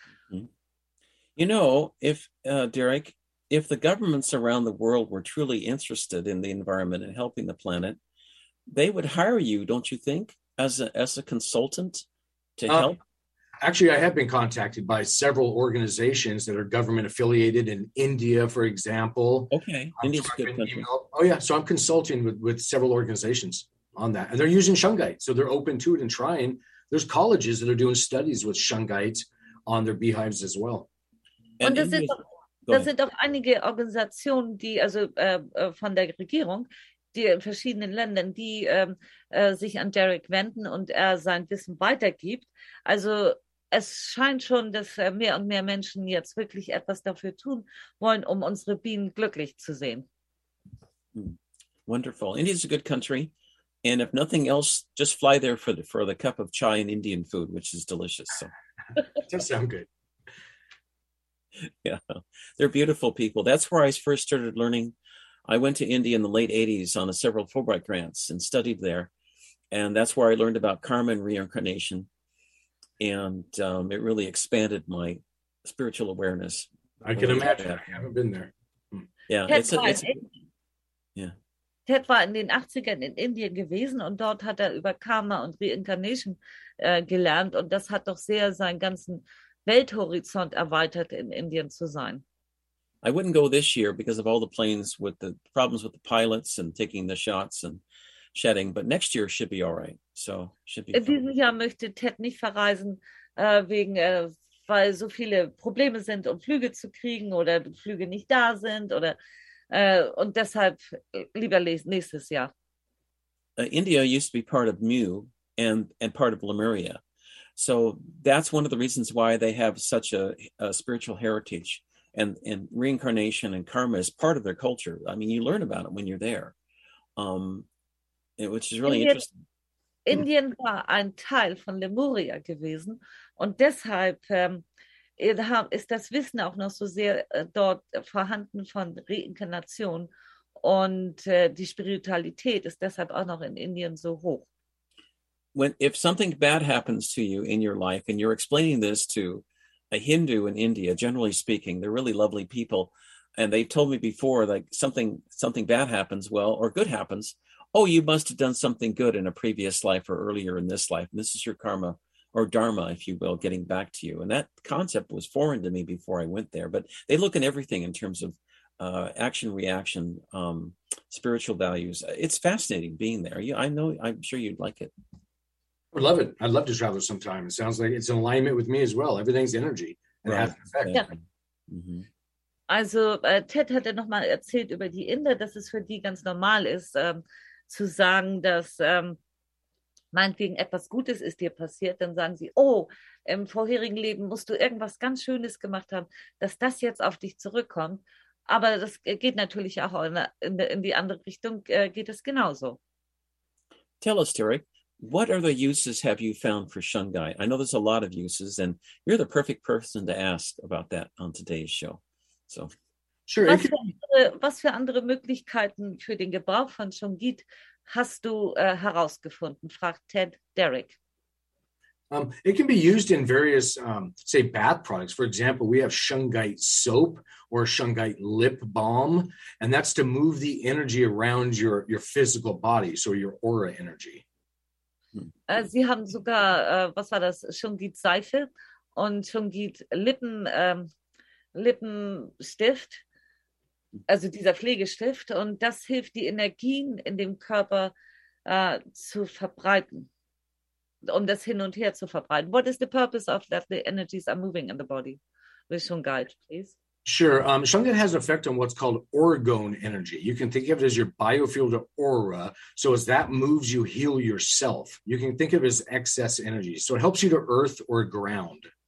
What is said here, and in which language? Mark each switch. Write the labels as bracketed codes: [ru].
[en] You know, if the governments around the world were truly interested in the environment and helping the planet, they would hire you, don't you think, as a consultant to help? Actually, I have been contacted by several organizations that are government affiliated in India, for example. Okay, India's a good country. Oh yeah, so I'm consulting with several organizations on that. And they're using shungite, so they're open to it and trying. There's colleges that are doing studies with shungite on their beehives as well. And does it? [de] Das sind auch einige Organisationen, die also von der Regierung, die in verschiedenen Ländern, die sich an Derek wenden und er sein Wissen weitergibt. Also es scheint schon, dass mehr und mehr Menschen jetzt wirklich etwas dafür tun wollen, um unsere Bienen glücklich zu sehen. [en] Wonderful. India is a good country. And if nothing else, just fly there for the cup of chai and Indian food, which is delicious. So. Does sound good. Yeah, they're beautiful people. That's where I first started learning. I went to India in the late 80s on several Fulbright grants and studied there. And that's where I learned about karma and reincarnation. And it really expanded my spiritual awareness. I can imagine. Yeah. I haven't been there. Yeah. [de] Ted war in den 80ern in Indien gewesen und dort hat er über Karma und Reincarnation gelernt. Und das hat doch sehr seinen ganzen Welthorizont erweitert, in Indien zu sein. [en] I wouldn't go this year because of all the planes with the problems with the pilots and taking the shots and shedding, but next year should be all right. So should be [de] in diesem Jahr möchte Ted nicht verreisen, weil so viele Probleme sind, um Flüge zu kriegen oder Flüge nicht da sind oder und deshalb lieber nächstes Jahr. [en] India used to be part of Mu and part of Lemuria. So that's one of the reasons why they have such a spiritual heritage, and reincarnation and karma is part of their culture. I mean, you learn about it when you're there, which is really interesting. [de] Indien war ein Teil von Lemuria gewesen, und deshalb ist das Wissen auch noch so sehr dort vorhanden von Reinkarnation, und die Spiritualität ist deshalb auch noch in Indien so hoch. [en] If something bad happens to you in your life, and you're explaining this to a Hindu in India, generally speaking, they're really lovely people, and they've told me before, like, something bad happens, well, or good happens, oh, you must have done something good in a previous life or earlier in this life, and this is your karma, or dharma, if you will, getting back to you. And that concept was foreign to me before I went there, but they look at everything in terms of action, reaction, spiritual values. It's fascinating being there. I'm sure you'd like it. I would love it. I'd love to travel sometime. It sounds like it's in alignment with me as well. Everything's energy. And right. Has an effect. Yeah. Mm-hmm. [de] Also Ted hat ja nochmal erzählt über die Inder, dass es für die ganz normal ist, zu sagen, dass meinetwegen etwas Gutes ist dir passiert. Dann sagen sie, oh, im vorherigen Leben musst du irgendwas ganz Schönes gemacht haben, dass das jetzt auf dich zurückkommt. Aber das geht natürlich auch in die andere Richtung, geht es genauso. [en] Tell us, Terry. what other uses have you found for shungite? I know there's a lot of uses, and you're the perfect person to ask about that on today's show. So, sure. [de] Was für andere Möglichkeiten für den Gebrauch von Shungite hast du herausgefunden? Fragt Ted Derrick. [en] It can be used in various, say, bath products. For example, we have shungite soap or shungite lip balm, and that's to move the energy around your physical body, so your aura energy. [de] Sie haben sogar, was war das, Shungite Seife und Shungite Lippenstift, also dieser Pflegestift, und das hilft, die Energien in dem Körper zu verbreiten. Um das hin und her zu verbreiten. [en] What is the purpose of that the energies are moving in the body? With shungite, please. Sure. Shungite has an effect on what's called orgone energy. You can think of it as your biofield or aura. So as that moves, you heal yourself. You can think of it as excess energy. So it helps you to earth or ground.